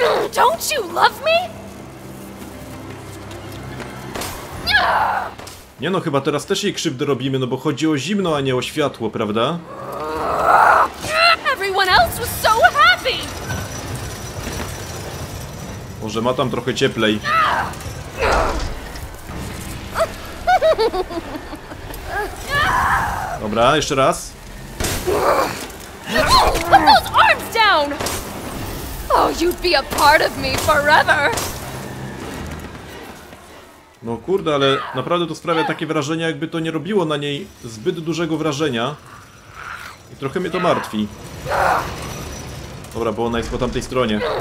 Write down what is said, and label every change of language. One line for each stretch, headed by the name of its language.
English: Don't you love me?
Polish: Nie no, chyba teraz też jej krzywdę robimy, no bo chodzi o zimno, a nie o światło, prawda?
English: Everyone else was so happy.
Polish: Może ma tam trochę cieplej. Dobra, jeszcze raz.
English: Put those arms down. Oh, you'd be a part of me forever.
Polish: No kurde, ale naprawdę to sprawia takie wrażenie, jakby to nie robiło na niej zbyt dużego wrażenia. I trochę mnie to martwi. Dobra, bo ona jest po tamtej stronie.